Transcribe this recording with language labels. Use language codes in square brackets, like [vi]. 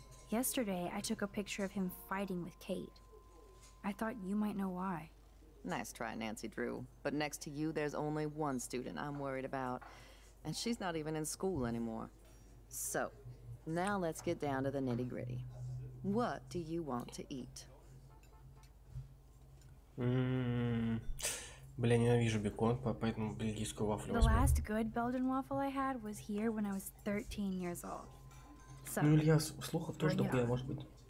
[en] Yesterday, I took a picture of him fighting with Kate. I thought you might know why. Nice try, Nancy Drew. But next to you, there's only one student I'm worried about. And she's not even in school anymore. So, Now let's get down to the nitty-gritty. What do you want to eat? [ru] Бля, ненавижу бекон, поэтому бельгийскую вафлю возьму. [en] The last good Belgian waffle I had was here when I was 13 years old. [ru] So, ну, Илья, слухов тоже добыла, может быть.